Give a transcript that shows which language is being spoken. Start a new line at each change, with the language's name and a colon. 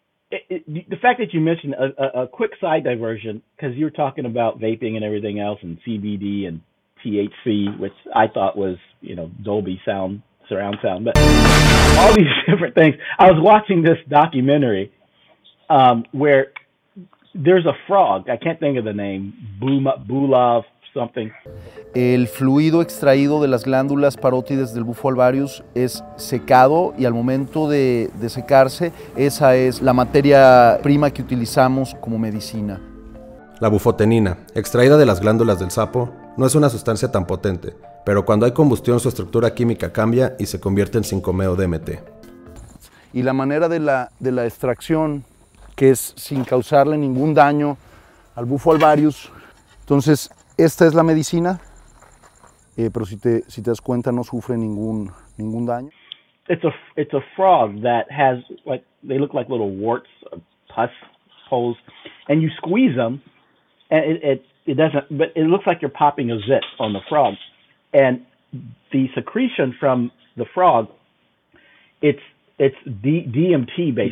English: The fact that you mentioned a quick side diversion, because you're talking about vaping and everything else and CBD and THC, which I thought was, you know, Dolby sound, surround sound, but all these different things. I was watching this documentary where there's a frog. I can't think of the name. Bulov something.
Spanish: El fluido extraído de las glándulas parótides del bufo alvarius es secado y al momento de secarse, esa es la materia prima que utilizamos como medicina. La bufotenina, extraída de las glándulas del sapo, no es una sustancia tan potente, pero cuando hay combustión su estructura química cambia y se convierte en 5-MeO-DMT. Y la manera de la extracción, que es sin causarle ningún daño al bufo alvarius, entonces esta es la medicina, pero si te das cuenta no sufre ningún daño.
English: It's a frog that has like they look like little warts, pus holes, and you squeeze them, and it doesn't. But it looks like you're popping a zit on the frog, and the secretion from the frog, it's DMT basically.